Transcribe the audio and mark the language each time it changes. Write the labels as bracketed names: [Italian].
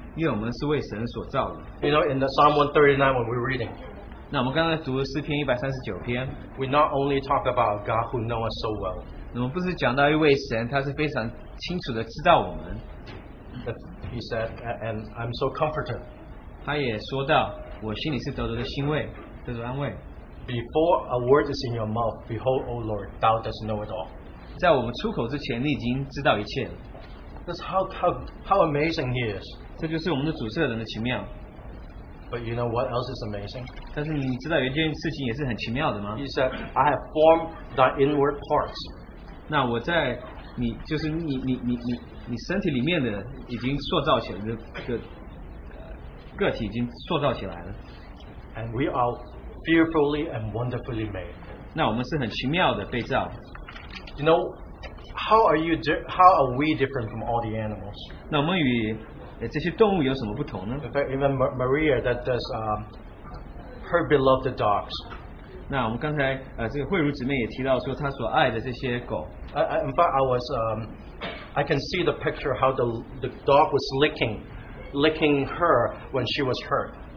[English] You know, in the Psalm 139 when we're reading, [Chinese] 那我们刚才读了诗篇139篇, [English] we not only talk about God who knows us so well. [Chinese] 我们不是讲到一位神, 祂是非常清楚地知道我们, [English] but he said, and I'm so comforted. [Chinese] 祂也说到, 我心里是得着的欣慰, 得着安慰。 [English] Before a word is in your mouth, behold, O Lord, thou dost know it all. [Chinese] 在我们出口之前，你已经知道一切了。 [English] That's how amazing he is. [Chinese] 这就是我们的主事的人的奇妙。 [English] But you know what else is amazing? [Chinese] 但是你知道有一件事情也是很奇妙的吗？ [English] He said, I have formed thy inward parts. [Chinese] 那我在你身体里面的已经塑造起来了，个体已经塑造起来了。 [English] And we are fearfully and wonderfully made. [Chinese] 那我们是很奇妙的被造。 [English] You know, how are we different from all the animals? [Chinese] 那我们与 这些动物有什么不同呢? [English] In fact, even Maria, that does her beloved dogs. [Chinese] 那我们刚才, 这个慧如姊妹也提到说她所爱的这些狗。 [English] In fact, I can see the picture how the dog was licking her when she was hurt.